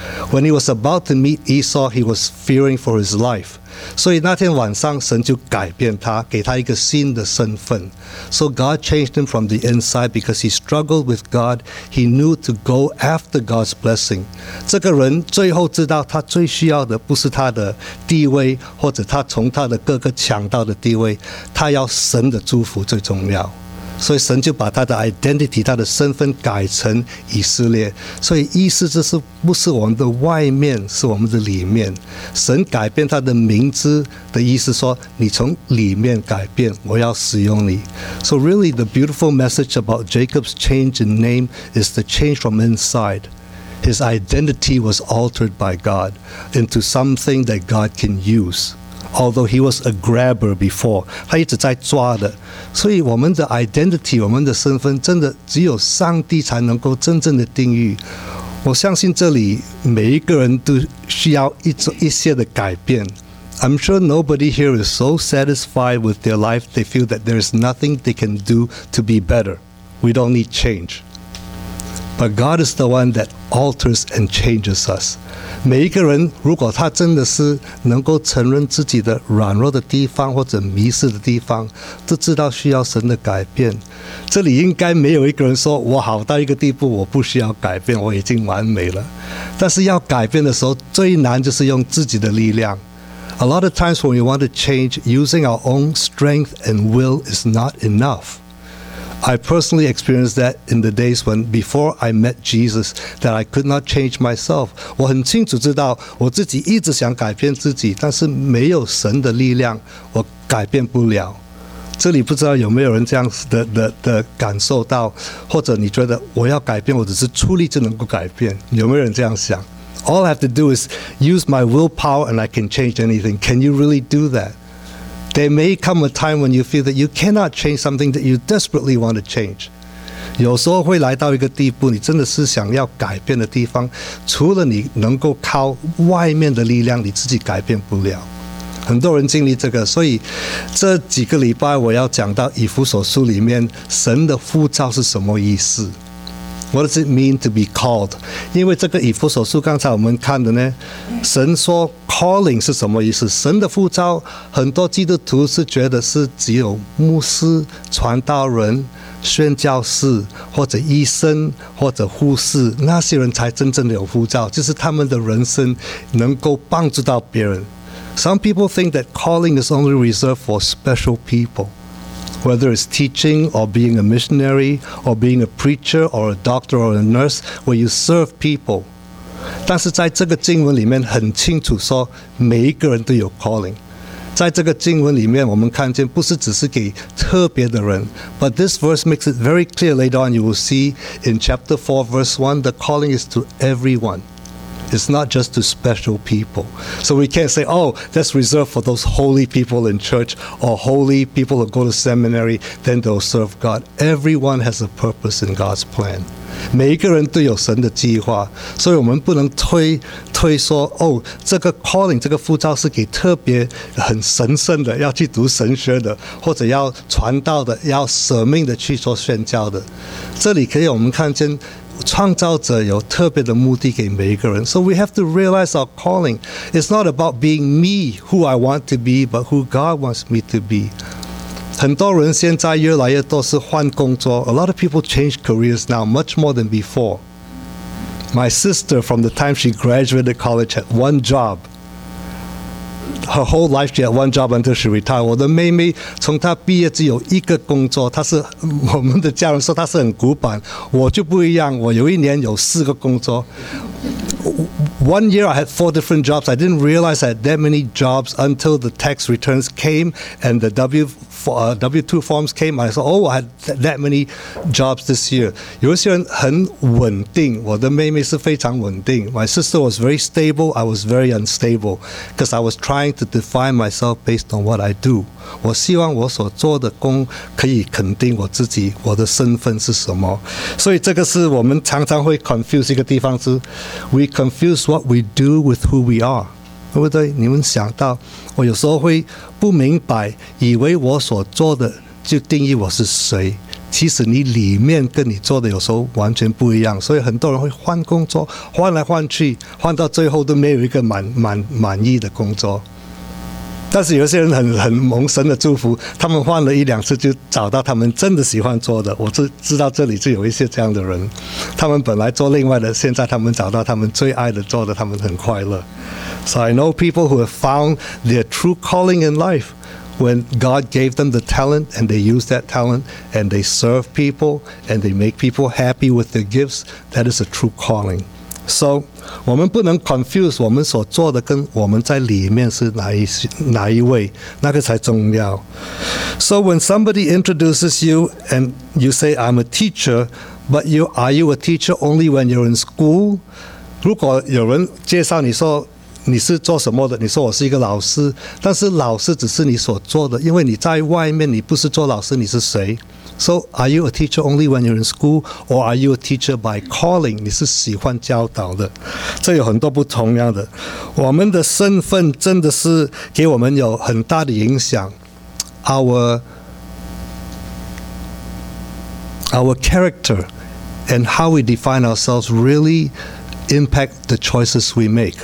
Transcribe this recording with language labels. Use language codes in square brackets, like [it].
[en] When he was about to meet Esau, he was fearing for his life. [zh] 所以那天晚上神就改变他，给他一个新的身份。 [en] So God changed him from the inside because he struggled with God. He knew to go after God's blessing. [zh] 这个人最后知道他最需要的不是他的地位，或者他从他的哥哥抢到的地位，他要神的祝福最重要。所以神就把他的 identity， 他的身份改成以色列。所以意思就是，不是我们的外面，是我们的里面。神改变他的名字的意思说，你从里面改变，我要使用你。 [en] So really the beautiful message about Jacob's change in name is the change from inside. His identity was altered by God into something that God can use. Although he was a grabber before， [zh] 他一直在抓的。所以我们的 identity， 我们的身份真的只有上帝才能够真正的定义。我相信这里每一个人都需要一些的改变。 [en] I'm sure nobody here is so satisfied with their life they feel that there is nothing they can do to be better. We don't need change. But God is the one that alters and changes us. [zh] 每一个人如果他真的是能够承认自己的软弱的地方或者迷失的地方，都知道需要神的改变。这里应该没有一个人说我好到一个地步我不需要改变，我已经完美了。但是要改变的时候最难就是用自己的力量。 [en] A lot of times when we want to change, using our own strength and will is not enough. I personally experienced that in the days when before I met Jesus, that I could not change myself. [zh] 我很清楚知道我自己一直想改变自己，但是没有神的力量我改变不了。这里不知道有没有人这样 的感受到，或者你觉得我要改变我只是出力就能够改变，有没有人这样想？ [en] All I have to do is use my willpower and I can change anything. Can you really do that? There may come a time when you feel that you cannot change something that you desperately want to change. [zh] 有时候会来到一个地步，你真的是想要改变的地方，除了你能够靠外面的力量，你自己改变不了。很多人经历这个，所以这几个礼拜我要讲到以弗所书里面神的呼召是什么意思。 [en] What does it mean to be called? [zh] 因为这个以弗所书刚才我们看的呢，神说 calling 是什么意思？神的呼召，很多基督徒是觉得是只有牧师、传道人、宣教士或者医生或者护士，那些人才真正的有呼召，就是他们的人生能够帮助到别人。 [en] Some people think that calling is only reserved for special people, whether it's teaching or being a missionary or being a preacher or a doctor or a nurse, where you serve people. [zh] 但是在这个经文里面很清楚说，每一个人都有 calling。在这个经文里面，我们看见不是只是给特别的人。 [en] But this verse makes it very clear. Later on, you will see in chapter 4, verse 1, the calling is to everyone. It's not just to special people. So we can't say, oh, that's reserved for those holy people in church or holy people who go to seminary, then they'll serve God. Everyone has a purpose in God's plan. [zh] 每一个人都有神的计划，所以我们不能推说，哦，这个 calling, 这个呼召是给特别很神圣的，要去读神学的，或者要传道的，要舍命的去做宣教的。这里可以我们看见创造者有特别的目的给每一个人。 [en] So we have to realize our calling. It's not about being me, who I want to be, but who God wants me to be. [zh] 很多人现在越来越多是换工作。 [en] A lot of people change careers now, much more than before. My sister, from the time she graduated college, had one job. Her whole life she had one job until she retired. [zh] 我的妹妹从她毕业只有一个工作，她是我们的家人说她是很古板。我就不一样，我有一年有四个工作。 [en] One year I had four different jobs. I didn't realize I had that many jobs until the tax returns came and the W-2 forms came. I said, oh, I had that many jobs this year. [zh] 有些人很稳定，我的妹妹是非常稳定。 [en] My sister was very stable, I was very unstable because I was trying to define myself based on what I do. [zh] 我希望我所做的工可以肯定我自己，我的身份是什么。所以这个是我们常常会 confuse 一个地方，是 [en] we confuse what we do with who we are. [zh] 对不对？你们想到，我有时候会不明白，以为我所做的就定义我是谁。其实你里面跟你做的有时候完全不一样，所以很多人会换工作，换来换去，换到最后都没有一个满意的工作。但是有些人很蒙神的祝福，他们换了一两次就找到他们真的喜欢做的。我就知道这里就有一些这样的人，他们本来做另外的，现在他们找到他们最爱的做的，他们很快乐。 [en] So I know people who have found their true calling in life when God gave them the talent and they use that talent and they serve people and they make people happy with their gifts. That is a true calling. So, [zh] 我们不能 confuse 我们所做的跟我们在里面是哪一位，那个才重要。 [en] So when somebody introduces you and you say, I'm a teacher, but are you a teacher only when you're in school? [zh] 如果有人介绍你说你是做什么的，你说我是一个老师，但是老师只是你所做的，因为你在外面你不是做老师，你是谁？ [en] So are you a teacher only when you're in school or are you a teacher by calling? [zh] 你是喜欢教导的，这有很多不同样的。我们的身份真的是给我们有很大的影响。 [en] Our character and how we define ourselves reallyimpact the choices we make.